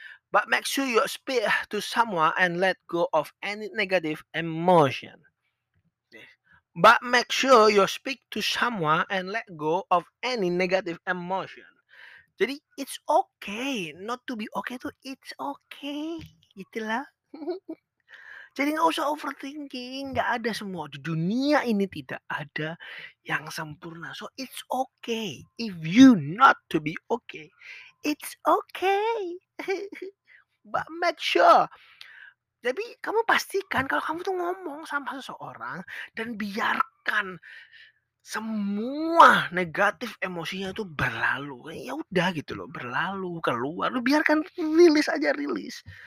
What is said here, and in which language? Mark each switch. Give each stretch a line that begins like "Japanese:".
English: But make sure you speak to someone and let go of any negative emotion. But make sure you speak to someone and let go of any negative emotion. Jadi, it's okay not to be okay to it's okay.
Indonesian: Itulah. Jadi gak usah overthinking, gak ada semua. Di dunia ini tidak ada yang sempurna.
English: So it's okay if you not to be okay. It's okay. But make sure.
Indonesian: Jadi kamu pastikan kalau kamu tuh ngomong sama seseorang dan biarkan semua negatif emosinya itu berlalu. Ya udah gitu loh, berlalu, keluar. Lu biarkan, rilis aja, rilis.